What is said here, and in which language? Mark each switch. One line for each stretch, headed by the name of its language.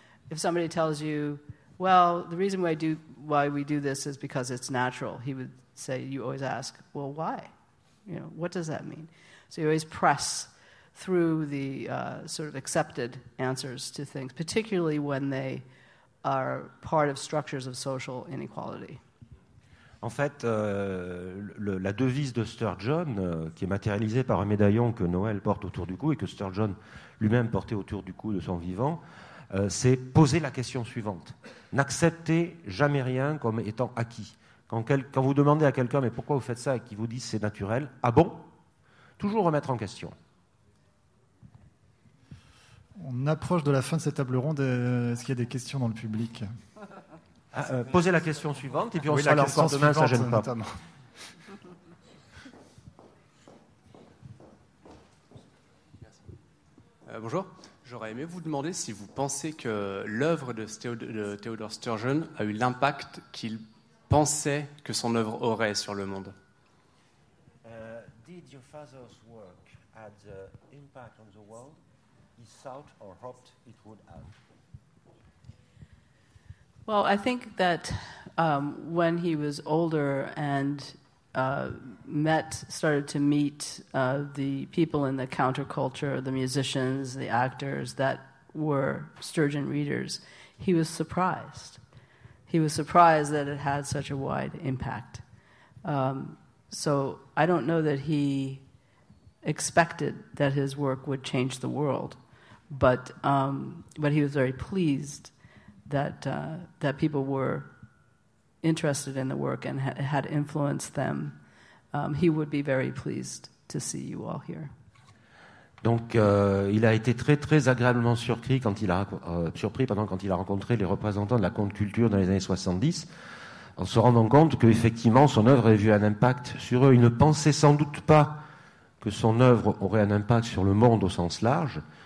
English: If somebody tells you, well, the reason why we do this is because it's natural, he would say, you always ask, well, why? You know, what does that mean? So you always press through the sort of accepted answers to things, particularly when they are part of structures of social inequality.
French: En fait, la devise de Sturgeon, qui est matérialisée par un médaillon que Noël porte autour du cou et que Sturgeon lui-même portait autour du cou de son vivant, c'est poser la question suivante. N'acceptez jamais rien comme étant acquis. Quand vous demandez à quelqu'un « Mais pourquoi vous faites ça ?» et qu'il vous dit « C'est naturel », « Ah bon ?» Toujours remettre en question. On approche de la fin de cette table ronde. Est-ce qu'il y a des questions dans le public ? Posez la question suivante et puis on sera là encore demain, ça ne gêne pas. Notamment. Bonjour, j'aurais aimé vous demander si vous pensez que l'œuvre de Theodore Sturgeon a eu l'impact qu'il pensait que son œuvre aurait sur le monde.
English: Did your father's work had the impact on the world he thought or hoped it would have? Well, I think that when he was older and started to meet the people in the counterculture, the musicians, the actors that were Sturgeon readers, he was surprised. He was surprised that it had such a wide impact. So I don't know that he expected that his work would change the world, but he was very pleased that people were interested in the work and had influenced them, he would be very pleased to see you all here.
French: Donc, il a été très très agréablement surpris quand il a rencontré les représentants de la contre-culture dans les années 70, en se rendant compte que effectivement son œuvre avait eu un impact sur eux. Il ne pensait sans doute pas que son œuvre aurait un impact sur le monde au sens large.